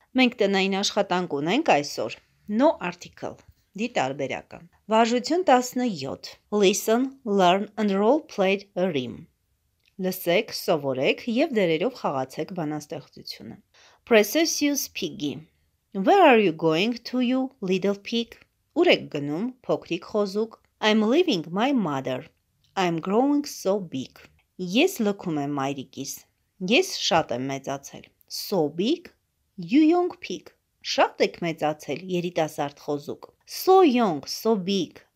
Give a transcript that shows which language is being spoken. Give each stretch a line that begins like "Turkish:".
Armenian: Մենք տնային աշխատանք ունենք այսօր։
English: No article.
Armenian: Դի տարբերակը։ Վարժություն 17.
English: Listen, learn and role play a rhyme.
Armenian: Լսեք, սովորեք եւ դերերով խաղացեք բանաստեղծությունը։
English: Processus piggy. Where are you going to, you little pig?
Armenian: Ուր եք գնում, փոքրիկ խոզուկ?
English: I'm leaving my mother. I'm growing so big.
Armenian: Ես լքում եմ մայրիկիս։ Ես շատ եմ մեծացել։
English: So big, you young pig.
Armenian: Շատ եք մեծացել, երիտասարդ խոզուկ։
English: So young, so big.